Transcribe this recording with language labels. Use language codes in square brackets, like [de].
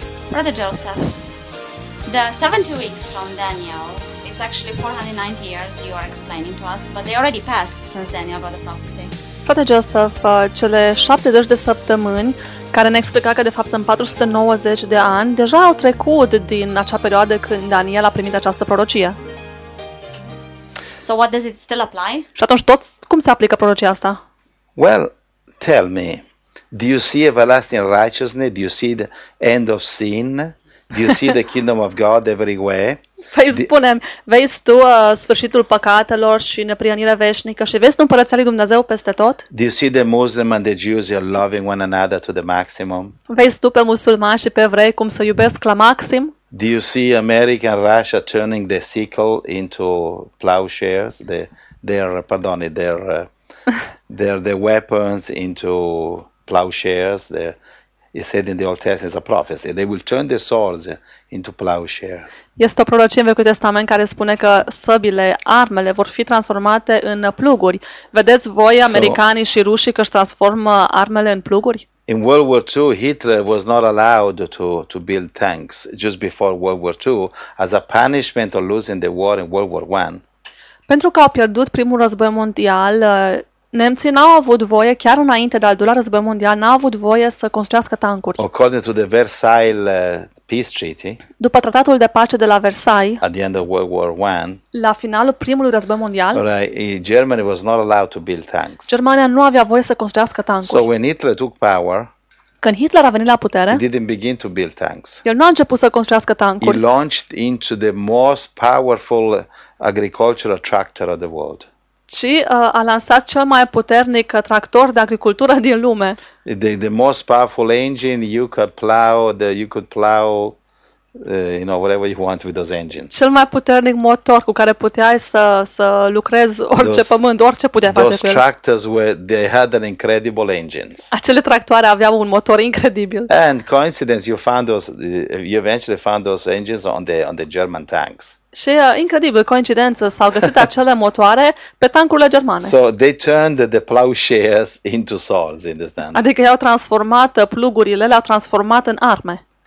[en] Brother Joseph, the 72 weeks from Daniel, it's actually 490 years you are explaining to us, but they already passed since Daniel got the prophecy. [ro] Frate Joseph, cele 70 de săptămâni care ne explica că de fapt sunt 490 de ani deja au trecut din acea perioadă când Daniel a primit această prorocie. [en] So what does it still apply? [ro] Și atunci tot cum se aplică prorocia asta? [en] Well, tell me. Do you see everlasting righteousness? Do you see the end of sin? Do you see the kingdom of God everywhere? [ro] Păi spune-mi, vezi tu sfârșitul păcatelor și neprihănirea veșnică și vezi tu împărăția lui Dumnezeu peste tot? [en] Do you see the Muslim and the Jews are loving one another to the maximum? [ro] Vezi tu pe musulmani și pe evrei cum se iubesc la maxim? [en] Do you see America and Russia turning the sickle into plowshares, their weapons into plowshares, their... It said in the Old Testament, it's a prophecy. They will turn the swords into plowshares. [ro] Este o prorocie în Vechiul Testament care spune că săbile, armele vor fi transformate în pluguri. Vedeți voi, americanii și rușii, că își transformă armele în pluguri? [en] In World War II, Hitler was not allowed to build tanks just before World War II as a punishment of losing the war in World War I. [ro] Pentru că au pierdut primul război mondial, nemții n-au avut voie, chiar înainte de al doilea război mondial, n-au avut voie să construiască tancuri. [en] According to the Versailles Peace Treaty, [ro] după tratatul de pace de la Versailles, [en] at the end of World War I, [ro] la finalul primului război mondial, [en] Germany was not allowed to build tanks. [ro] Germania nu avea voie să construiască tancuri. [en] So when Hitler took power, [ro] când Hitler a venit la putere, [en] he didn't begin to build tanks. [ro] El nu a început să construiască tancuri. [en] He launched into the most powerful agricultural tractor of the world. [ro] Și a lansat cel mai puternic tractor de agricultură din lume. [en] The most powerful engine you could plow, whatever you want with those engines. [ro] Cel mai puternic motor cu care puteai să lucrezi orice [en] those, [ro] pământ, orice puteai [en] those [ro] face cu el. [en] Tractors they had an incredible engines. [ro] Acele tractoare aveau un motor incredibil. [en] And coincidence you eventually found those engines on the German tanks. [ro] Și incredibil, coincidență, s-au găsit acele motoare pe tancurile germane. [en] So they turned the plowshares into swords, understand? [ro] Adică i-au transformat plugurile, le-au transformat în arme.